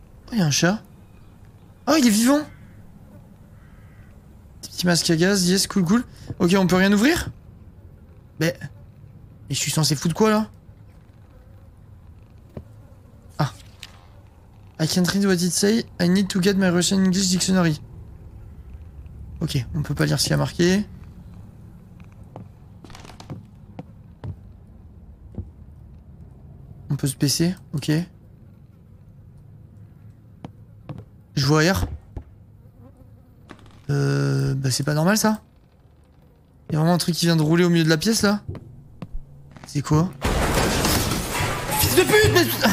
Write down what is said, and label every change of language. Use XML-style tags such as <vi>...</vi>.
<fr>Oh, y'a un chat. Oh, il est vivant! Petit masque à gaz, yes, cool, cool. Ok, on peut rien ouvrir? Mais. Et je suis censé foutre quoi là? Ah.</fr> <en>I can't read what it say. I need to get my Russian English dictionary.</en> <fr>Ok, on peut pas lire ce qu'il y a marqué. On peut se baisser, ok. Je vois ailleurs. Bah c'est pas normal ça. Y'a vraiment un truc qui vient de rouler au milieu de la pièce là. C'est quoi? Fils de pute, mais...</fr>